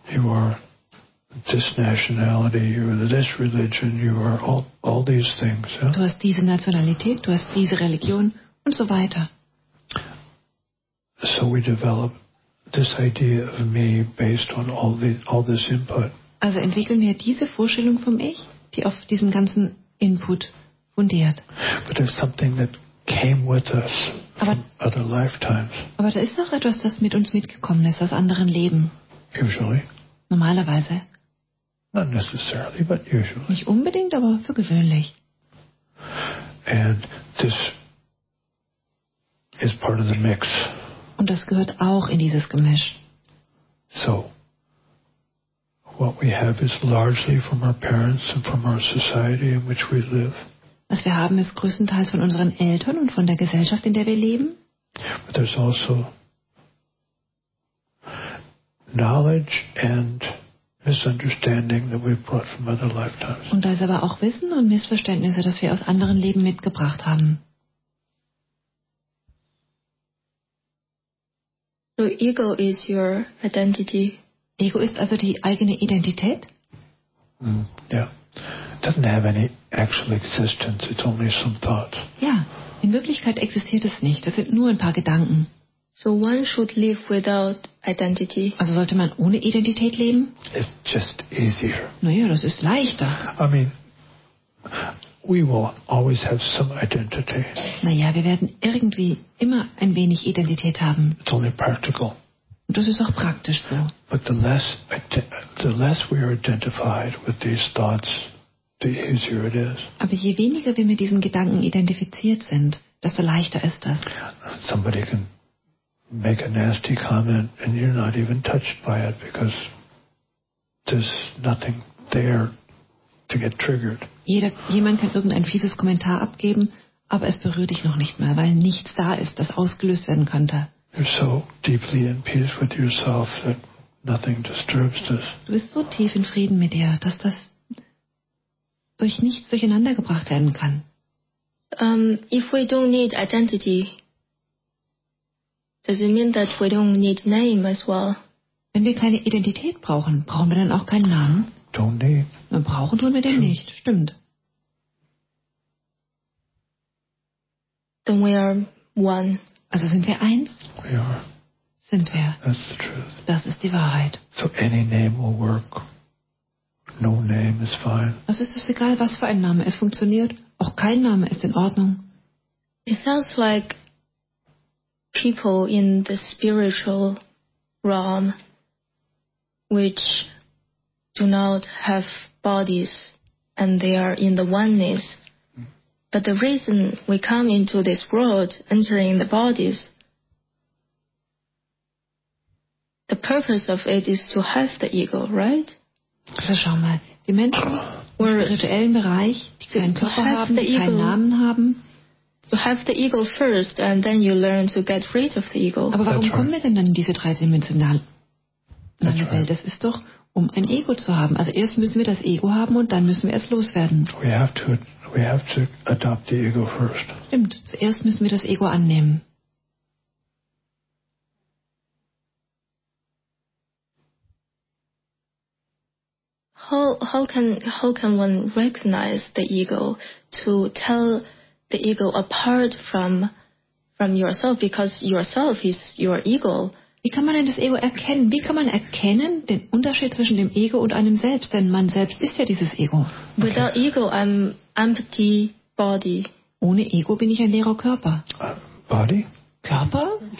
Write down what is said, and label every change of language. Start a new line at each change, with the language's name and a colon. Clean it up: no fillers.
English: You are this nationality, you are this religion, you are all these things.
German: Du hast diese Nationalität, du hast diese Religion und so weiter.
English: So we develop this idea of me based on all this input.
German: Also entwickeln wir diese Vorstellung vom Ich, die auf diesem ganzen Input fundiert.
English: But there's something that came with us from other lifetimes.
German: Aber da ist noch etwas, das mit uns mitgekommen ist aus anderen Leben.
English: Usually.
German: Normalerweise.
English: Not necessarily, but usually.
German: Nicht unbedingt, aber für gewöhnlich.
English: And this is part of the mix.
German: Und das gehört auch in dieses Gemisch.
English: So, what we have is largely from our parents and from our society in which we live.
German: Was wir haben, ist größtenteils von unseren Eltern und von der Gesellschaft, in der wir leben.
English: But there's also knowledge and misunderstanding that we've brought from other lifetimes.
German: Und da ist aber auch Wissen und Missverständnisse, das wir aus anderen Leben mitgebracht haben.
English: So ego is your identity.
German: Ego ist also die eigene Identität?
English: Yeah. Doesn't have any actual existence. It's only some thoughts.
German: Ja, in Wirklichkeit existiert es nicht. Es sind nur ein paar Gedanken.
English: So one should live without identity.
German: Also sollte man ohne Identität leben?
English: It's just easier.
German: Naja, das ist leichter.
English: I mean, we will always have some identity.
German: Naja, wir werden irgendwie immer ein wenig Identität haben.
English: It's only practical.
German: Und das ist auch praktisch so.
English: But the less we are identified with these thoughts, the easier it is.
German: Aber je weniger wir mit diesen Gedanken identifiziert sind, desto leichter ist das.
English: Somebody can make a nasty comment and you're not even touched by it because there's nothing there to get triggered.
German: Jemand kann irgendein fieses Kommentar abgeben, aber es berührt dich noch nicht mal, weil nichts da ist, das ausgelöst werden könnte.
English: You're so deeply in peace with yourself that nothing disturbs this.
German: Du bist so tief in Frieden mit dir, dass das durch nichts durcheinander gebracht werden kann.
English: If we don't need identity, does it mean that we don't need name as well?
German: Wenn wir keine Identität brauchen, brauchen wir dann auch keinen Namen?
English: Don't need.
German: Dann brauchen tun wir den nicht. Stimmt.
English: Then we are one.
German: Also sind wir eins?
English: We are.
German: Sind wir.
English: That's the truth.
German: Das ist die Wahrheit.
English: So any name will work. No name is fine.
German: Also ist es egal, was für ein Name es funktioniert. Auch kein Name ist in Ordnung.
English: It sounds like people in the spiritual realm, which do not have bodies and they are in the oneness. But the reason we come into this world entering the bodies, the purpose of it is to have the ego, right?
German: Also schau mal, die Menschen im rituellen Bereich, die keinen Körper haben, die keinen Namen haben.
English: You have the ego first and then you learn to get rid of the ego.
German: Aber warum kommen wir denn dann in diese dreidimensionale Welt?
English: Right.
German: Das ist doch, um ein Ego zu haben. Also erst müssen wir das Ego haben und dann müssen wir es loswerden.
English: We have to adopt the ego first.
German: Stimmt, zuerst müssen wir das Ego annehmen.
English: How can one recognize the ego to tell the ego apart from yourself, because yourself is your ego?
German: Wie kann man denn das Ego erkennen? Wie kann man erkennen den Unterschied zwischen dem Ego und einem Selbst? Denn man selbst ist ja dieses Ego. Okay.
English: Without ego, I'm empty body.
German: Ohne Ego bin ich ein leerer Körper.
English: Body?
German: Körper?